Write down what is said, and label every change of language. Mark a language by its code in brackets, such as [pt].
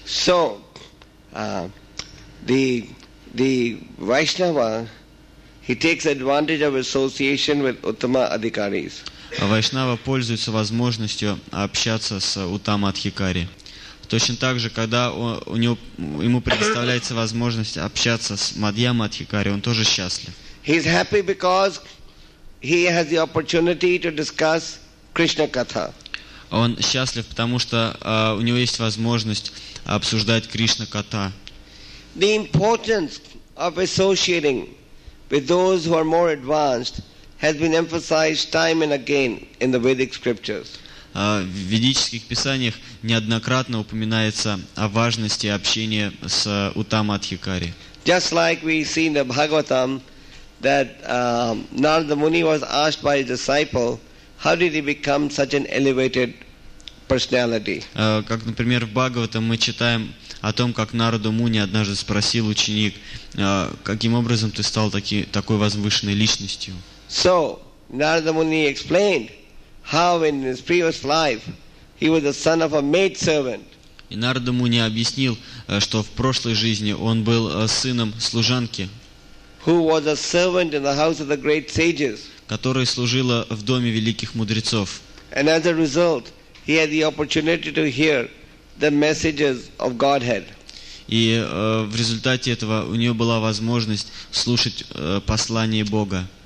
[en] So, the Vaishnava, he takes advantage of association with Uttama Adhikaris. [ru] Вайшнава пользуется возможностью общаться с Уттама Адхикари. Точно так же, когда ему предоставляется возможность общаться с Мадьяма Адхикари, он тоже счастлив. [en] He is happy because he has the opportunity to discuss Krishna Katha. [ru] Он счастлив, потому что у него есть возможность обсуждать Кришна Катха. [en] The importance of associating with those who are more advanced has been emphasized time and again in the Vedic scriptures. [ru] В ведических писаниях неоднократно упоминается о важности общения с Уттама Адхикари. [en] Just like we see in the Bhagavatam that Narada Muni was asked by his disciple, how did he become such an elevated personality? [ru] Как, например, в Бхагаватам мы читаем о том, как Нарада Муни однажды спросил ученик, каким образом ты стал такой возвышенной личностью? [en] So, Narada Muni explained how in his previous life he was the son of a maid servant. [ru] И Нарада Муни объяснил, что в прошлой жизни он был сыном служанки, [en] who was a servant in the house of the great sages. [ru] Которая служила в доме великих мудрецов. [en] And as a result, he had the opportunity to hear the messages of Godhead. [ru] И в результате этого у него была возможность слушать послание Бога.